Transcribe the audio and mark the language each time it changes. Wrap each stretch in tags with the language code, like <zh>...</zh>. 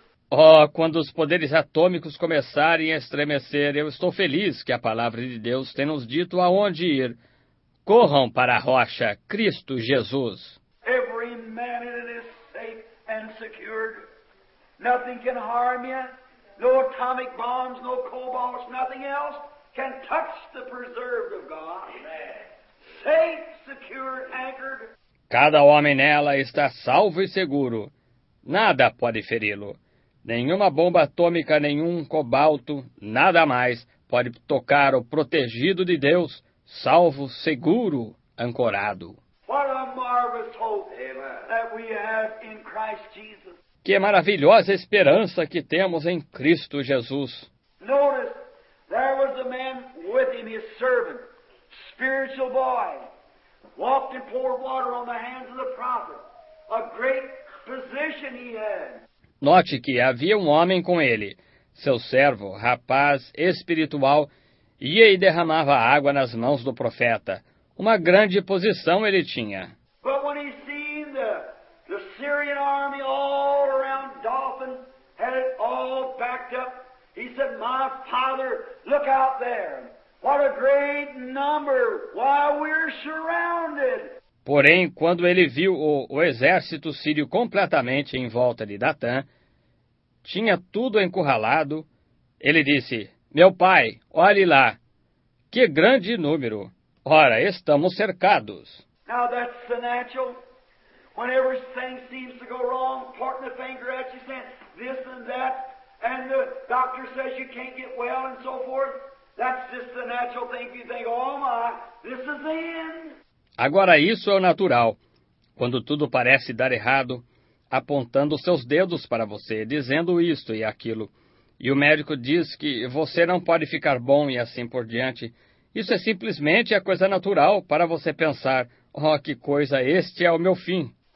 <pt>Oh, quando os poderes atômicos começarem a estremecer, eu estou feliz que a palavra de Deus tenha nos dito aonde ir. Corram para a rocha, Cristo Jesus.</pt> <en>Every man in it is safe and secured. Nothing can harm you. No atomic bombs, no cobalt, nothing else can touch the preserved of God. Amen. Safe, secure, anchored.</en> <pt>Cada homem nela está salvo e seguro. Nada pode feri-lo. Nenhuma bomba atômica, nenhum cobalto, nada mais pode tocar o protegido de Deus, salvo, seguro, ancorado.</pt> <en>What a marvelous hope that we have in Christ Jesus.</en> <pt>Que maravilhosa esperança que temos em Cristo Jesus.</pt> <en>Notice, there was a man with him, his servant, spiritual boy, walked and poured water on the hands of the prophet, a great position he had.</en> <pt>Note que havia um homem com ele, seu servo, rapaz espiritual, ia e derramava água nas mãos do profeta. Uma grande posição ele tinha.</pt> <en>But when he seen the Syrian army all around Dothan, had it all backed up, he said, my father, look out there. What a great number. Why, we're surrounded.</en> <pt>Porém, quando ele viu o exército sírio completamente em volta de Datã, tinha tudo encurralado, ele disse, meu pai, olhe lá, que grande número. Ora, estamos cercados.</pt> <en>Now that's the natural. When everything seems to go wrong, pointing the finger at you, saying this and that, and the doctor says you can't get well and so forth, that's just the natural thing. You think, oh my, this is the end.</en> <pt>Agora, isso é o natural, quando tudo parece dar errado, apontando seus dedos para você, dizendo isto e aquilo, e o médico diz que você não pode ficar bom e assim por diante. Isso é simplesmente a coisa natural para você pensar, oh, que coisa, este é o meu fim.</pt>